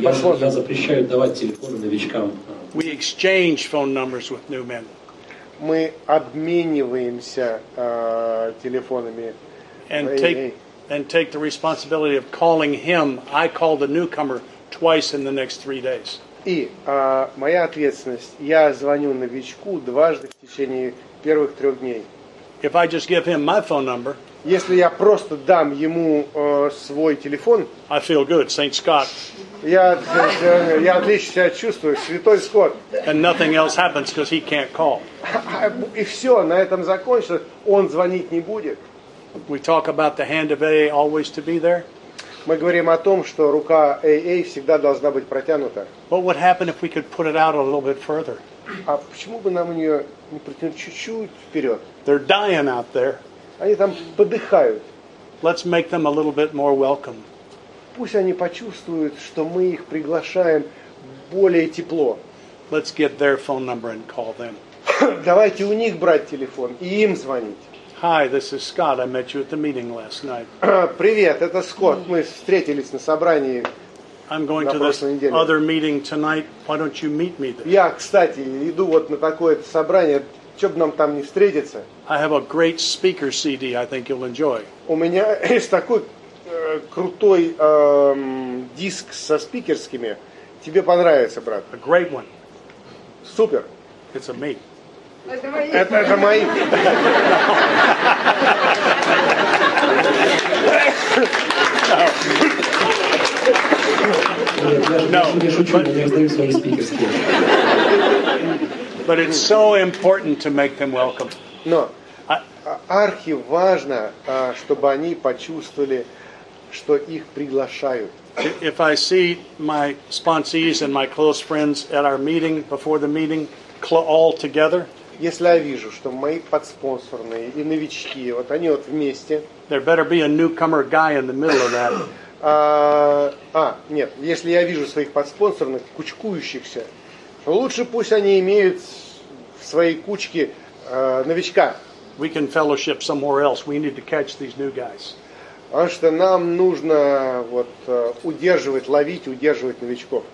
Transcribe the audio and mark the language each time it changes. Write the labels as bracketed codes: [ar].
[ru] Я запрещаю давать телефоны новичкам. [en] We exchange phone numbers with new men. [ru] Мы обмениваемся телефонами. [en] And take the responsibility of calling him. I call the newcomer twice in the next three days. [ru] И моя ответственность. Я звоню новичку дважды в течение первых трех дней. [en] If I just give him my phone number. [ru] Если я просто дам ему свой телефон, [en] I feel good, Saint Scott. [ru] Я отлично себя чувствую, Святой Скотт. [en] And nothing else happens because he can't call. [ru] И все, на этом закончилось, он звонить не будет. [en] We talk about the hand of AA always to be there. [ru] Мы говорим о том, что рука AA всегда должна быть протянута. [en] What would happen if we could put it out a little bit further? [ru] А почему бы нам ее не протянуть чуть-чуть вперед? [en] They're dying out there. [ru] Они там подыхают. [en] Let's make them a little bit more welcome. [ru] Пусть они почувствуют, что мы их приглашаем более тепло. [en] Let's get their phone number and call them. [ru] Давайте у них брать телефон и им звонить. [en] Hi, this is Scott. I met you at the meeting last night. [ru] Привет, это Скотт. Мы встретились на собрании на прошлой неделе. [en] I'm going to this other meeting tonight. Why don't you meet me there? [ru] Я, кстати, иду вот на такое-то собрание. Что бы нам там не встретиться? [en] I have a great speaker CD I think you'll enjoy. [ru] У меня есть такой крутой диск со спикерскими. Тебе понравится, брат. [en] A great one. [ru] Супер. [en] It's a me. [ru] Это мои. [en] No. [ru] Не шучу, я раздаю свои спикерские. [en] But it's so important to make them welcome. [ru] Но архи важно, чтобы они почувствовали, что их приглашают. [en] If I see my sponsees and my close friends at our meeting before the meeting, all together. [ru] Если я вижу, что мои подспонсорные и новички, вот они вот вместе. [en] There better be a newcomer guy in the middle of that. [ru] Нет, если я вижу своих подспонсорных кучкующихся. Лучше пусть они имеют в своей кучке новичка. [en] We can fellowship somewhere else. We need to catch these new guys. [ru] Потому что нам нужно вот удерживать новичков.